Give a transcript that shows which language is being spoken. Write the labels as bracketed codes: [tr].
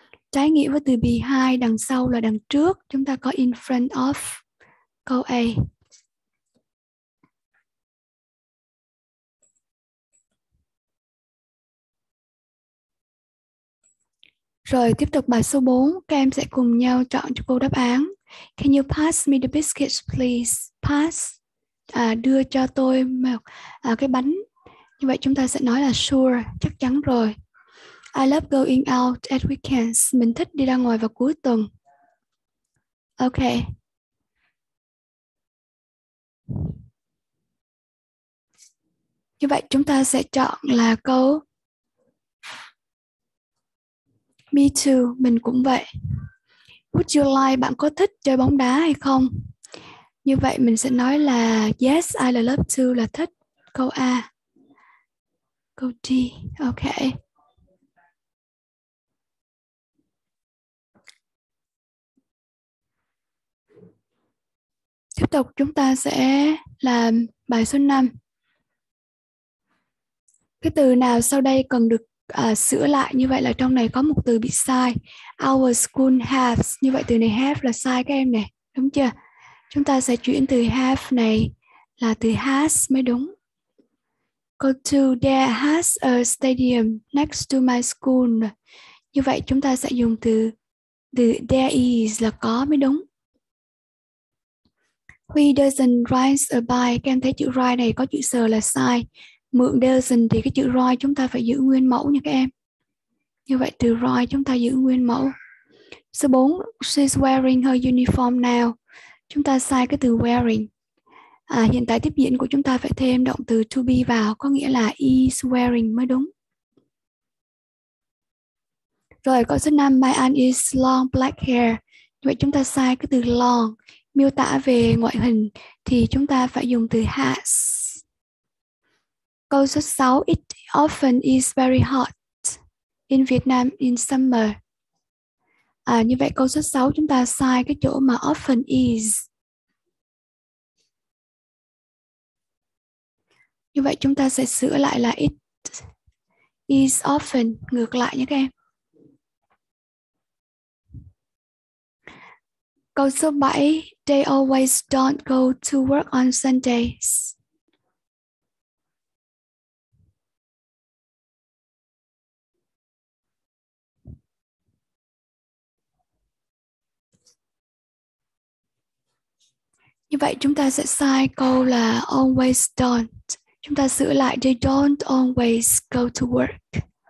[vi] Trái nghĩa với từ behind, đằng sau là đằng trước. Chúng ta có [en] in front of, [vi] câu A. Rồi tiếp tục bài số 4, các em sẽ cùng nhau chọn cho cô đáp án. [en] Can you pass me the biscuits please? Pass, [vi] đưa cho tôi cái bánh. Như vậy chúng ta sẽ nói là [en] sure, [vi] chắc chắn rồi. [en] I love going out at weekends. [vi] Mình thích đi ra ngoài vào cuối tuần. Ok. Như vậy chúng ta sẽ chọn là câu [en] me too, [vi] mình cũng vậy. [en] Would you like, [vi] bạn có thích chơi bóng đá hay không? Như vậy mình sẽ nói là [en] yes, I love to, [vi] là thích. Câu A. Câu D. Ok. Tiếp tục chúng ta sẽ làm bài số 5. Cái từ nào sau đây cần được sửa lại? Như vậy là trong này có một từ bị sai. [en] Our school has. [vi] Như vậy từ này have là sai các em nè. Đúng chưa? Chúng ta sẽ chuyển từ have này là từ has mới đúng. Câu 2. [en] There has a stadium next to my school. [vi] Như vậy chúng ta sẽ dùng từ từ there is là có mới đúng. [en] He doesn't ride a bike. [vi] Các em thấy chữ ride này có chữ s là sai. Mượn doesn't thì cái chữ ride chúng ta phải giữ nguyên mẫu nha các em. Như vậy từ ride chúng ta giữ nguyên mẫu. Số 4, [en] she's wearing her uniform now. [vi] Chúng ta sai cái từ wearing. À, hiện tại tiếp diễn của chúng ta phải thêm động từ to be vào, có nghĩa là [en] is wearing [vi] mới đúng. Rồi, câu số 5, [en] my aunt is long black hair. [vi] Như vậy chúng ta sai cái từ long. Miêu tả về ngoại hình thì chúng ta phải dùng từ has. Câu số 6, [en] it often is very hot in Vietnam in summer. [vi] À, như vậy câu số 6 chúng ta sai cái chỗ mà often is. Như vậy chúng ta sẽ sửa lại là [en] it is often, [vi] ngược lại nhé các em. Câu số 7, [en] they always don't go to work on Sundays. [vi] Như vậy chúng ta sẽ sai câu là [en] always don't. [vi] Chúng ta sửa lại [en] they don't always go to work.